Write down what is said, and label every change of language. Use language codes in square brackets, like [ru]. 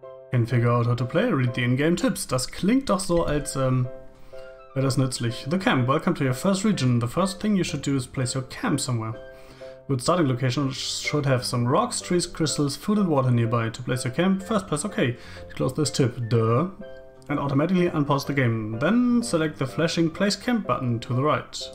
[en] Can figure out how to play, read the in-game tips. [de] Das klingt doch so, als wäre das nützlich. [en] The camp, welcome to your first region. The first thing you should do is place your camp somewhere. Good starting location should have some rocks, trees, crystals, food and water nearby. To place your camp, first press OK. To close this tip, duh. And automatically unpause the game. Then select the flashing place camp button to the right.